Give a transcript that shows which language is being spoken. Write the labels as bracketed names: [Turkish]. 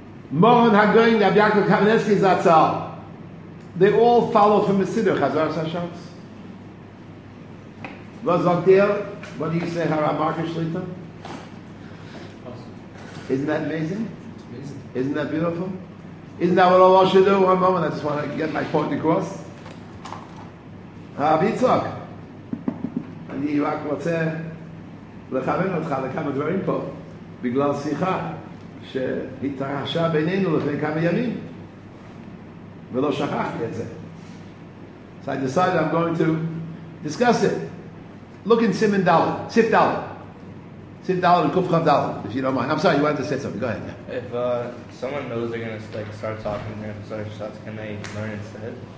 [English] Moron Hagoyin Abyakov Kamenetsky Zatzal, they all follow from the Siddur Chazar Sashas. Vazogdeel, what do you say, Hara Markish Lita? Awesome. Isn't that amazing? Amazing. Isn't that beautiful? Isn't that what Allah should do? One moment, I just want to get my point across. [Hebrew] Abitzok, אני רק רוצה לכוון אותך לכמה דברים פה בגלל שיחה שהתרחשה בינינו לפני כמה ימים ולא שכחתי את זה. [English] So I decided I'm going to discuss it. Look in Simen Dalet, Sif Dalet. Sif Dalet and Kufchav Dalet, if you don't mind. I'm sorry, you wanted to say something, go ahead. If someone knows they're going to like, start talking, can they learn instead?